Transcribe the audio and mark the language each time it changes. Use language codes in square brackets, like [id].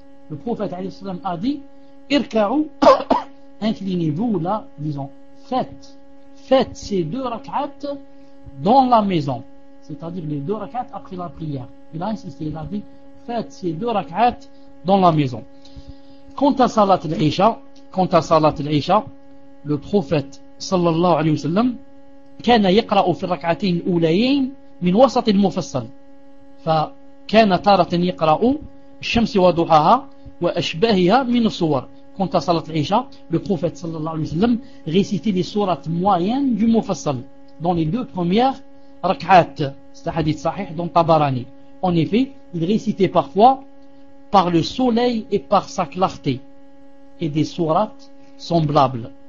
[fr] Le prophète alayhi wa sallam a dit irka'u, inclinez-vous là, disons, faites ces deux rak'at dans la maison, c'est-à-dire les deux rak'at après la prière. Il a insisté, il a dit faites ces deux rak'at dans la maison. Quant à Salat al-Isha, le prophète sallallahu alayhi wa sallam [ar] كان يقرأ في الركعتين الأوليين من وسط المفصل فكان تارة يقرأ الشمس وضحاها وأشباهها من الصور. [fr] Quant à Salat al-Isha, le prophète sallallahu alayhi wa sallam récitait les sourates moyennes du mufassal dans les deux premières rak'at, c'est un hadith sahih dans Tabarani. En effet, il récitait parfois par le soleil et par sa clarté et des sourates semblables.